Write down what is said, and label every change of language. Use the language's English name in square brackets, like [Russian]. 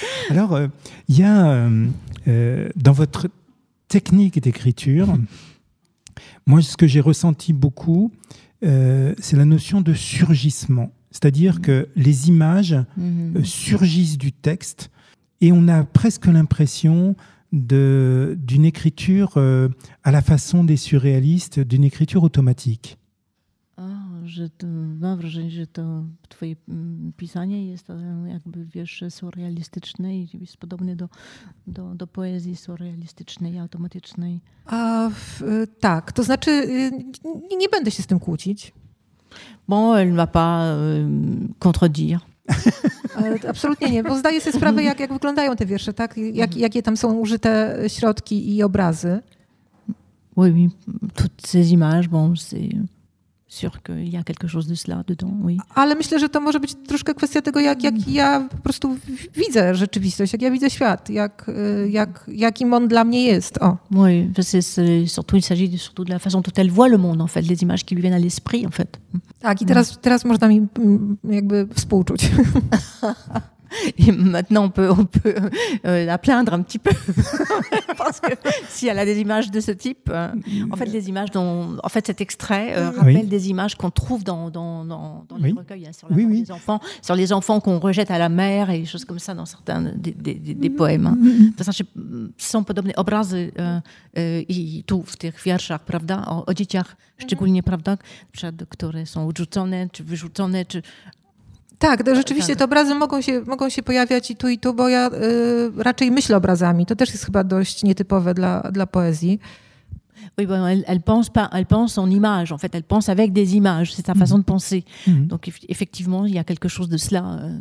[French] Alors, il y a dans votre technique d'écriture, moi, ce que j'ai ressenti beaucoup, c'est la notion de surgissement. C'est-à-dire que les images surgissent du texte. Et on a presque l'impression d'une écriture à la façon des surréalistes, d'une écriture automatique. Oh, [Polish] że to, mam wrażenie, że to twoje pisanie jest jakby, wiesz, surrealistyczne i jest podobne do poezji surrealistycznej, automatycznej. Tak, to znaczy nie będę się z tym kłócić. [French] Bon, elle ne va pas contredire. [Polish] Absolutnie nie, bo zdaję sobie sprawę, jak wyglądają te wiersze, tak? Jakie tam są użyte środki i obrazy. [French] Oui, oui, toutes ces images, bon, c'est sûr qu'il y a quelque chose de cela dedans, oui. [Polish] Ale myślę, że to może być troszkę kwestia tego, jak ja po prostu widzę rzeczywistość, jak ja widzę świat, jakim on dla mnie jest. O. [French] Oui, parce que surtout, il s'agit surtout de la façon dont elle voit le monde, en fait, les images qui lui viennent à l'esprit, en fait. [Polish] Tak, i teraz można mi jakby współczuć. [French] Et maintenant, on peut la plaindre un petit peu, parce que si elle a des images de ce type, en fait, les images dont, en fait, cet extrait rappelle des images qu'on trouve dans les recueils, hein, sur la mort des enfants, sur les enfants qu'on rejette à la mer et des choses comme ça dans certains des poèmes. Hein. [Polish] To znaczy, są podobne obrazy i tu w tych wierszach, prawda, o dzieciach, szczególnie, prawda, które są odrzucone, czy wyrzucone, czy... Tak, to rzeczywiście te obrazy mogą się pojawiać i tu, bo ja raczej myślę obrazami. To też jest chyba dość nietypowe dla poezji. [French] Oui, bon, elle pense pas, elle pense en images, en fait, elle pense avec des images, c'est sa façon de penser. Mm-hmm. Donc effectivement, il y a quelque chose de cela.